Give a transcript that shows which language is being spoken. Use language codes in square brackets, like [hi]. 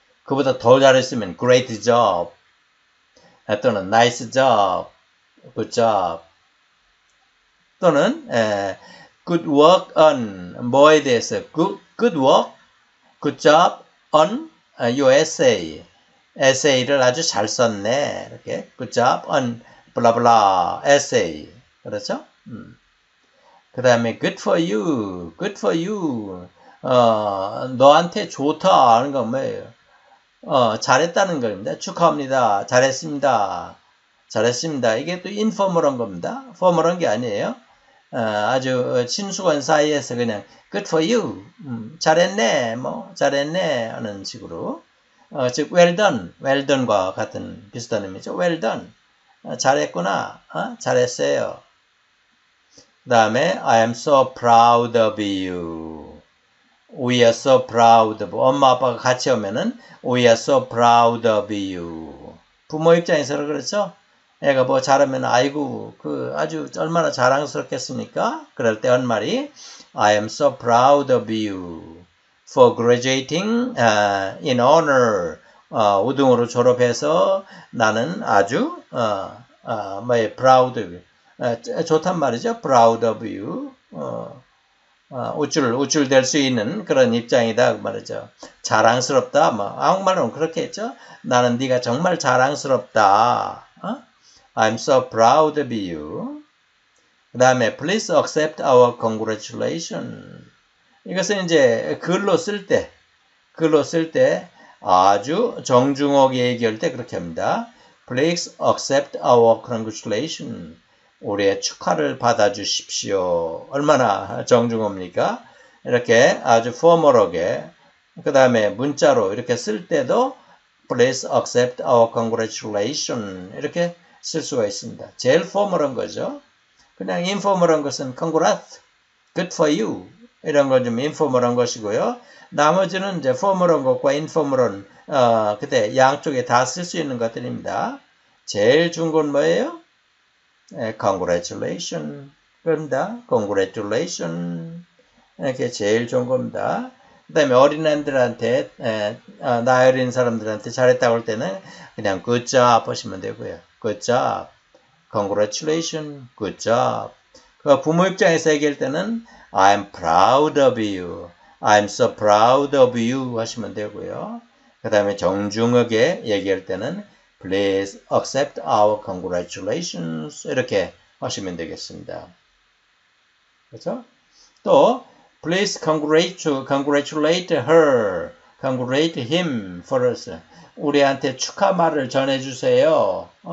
[ko] 그보다 더 잘했으면 [en] great job 또는 nice job 굿잡 또는 good work on [ko] 뭐에 대해서 [en] good work good job on your essay [ko] 를 아주 잘 썼네 이렇게 [en] good job on blah blah essay [ko] 그렇죠? 그 다음에 [en] good for you, [ko] 너한테 좋다 하는 건 뭐예요? 잘했다는 겁니다. 축하합니다. 잘했습니다. 이게 또 informal한 겁니다. formal한 게 아니에요. 아주 친숙한 사이에서 그냥 [en] good for you, [ko] 잘했네 하는 식으로. 즉 [en] well done [ko] 과 같은 비슷한 의미죠. well done, 잘했구나, 잘했어요. [en] 그 다음에 I am so proud of you. We are so proud of you. [ko] 엄마 아빠가 같이 오면은 [en] We are so proud of you. [ko] 부모 입장에서 그렇죠? 애가 뭐 잘하면 아이고 그 아주 얼마나 자랑스럽겠습니까? 그럴 때 한 말이 [en] I am so proud of you for graduating in honor. [ko] 우등으로 졸업해서 나는 아주 뭐 [en] proud of you. [ko] 좋단 말이죠. [en] Proud of you. [ko] 우쭐될 수 있는 그런 입장이다. 말이죠. 자랑스럽다. 뭐, 아무 말로는 그렇게 했죠. 나는 네가 정말 자랑스럽다. [en] I'm so proud of you. [ko] 그 다음에 [en] Please accept our congratulations. [ko] 이것은 이제 글로 쓸 때 아주 정중하게 얘기할 때 그렇게 합니다. [en] Please accept our congratulations. [ko] 우리의 축하를 받아주십시오. 얼마나 정중합니까? 이렇게 아주 포멀하게 그 다음에 문자로 이렇게 쓸 때도 [en] Please accept our congratulations. [ko] 이렇게 쓸 수가 있습니다. 제일 포멀한 거죠. 그냥 인포멀한 것은 [en] congrats, good for you. [ko] 이런 건좀 인포멀한 것이고요. 나머지는 이제 포멀한 것과 인포멀한, 그때 양쪽에 다쓸수 있는 것들입니다. 제일 좋은 건 뭐예요? 네, [en] congratulations. [ko] 그럽니다. [en] Congratulations. [ko] 이렇게 제일 좋은 겁니다. 그 다음에 어린애들한테, 나이 어린 사람들한테 잘했다고 할 때는 그냥 good job 하시면 되고요. [en] Good job. Congratulations. Good job. [ko] 부모 입장에서 얘기할 때는 [en] I'm proud of you. I'm so proud of you [ko] 하시면 되고요. 그 다음에 정중하게 얘기할 때는 [en] Please accept our congratulations. [ko] 이렇게 하시면 되겠습니다. 그렇죠? [en] 또 Please congratulate her, congratulate him for us. [ko] 우리한테 축하 말을 전해주세요.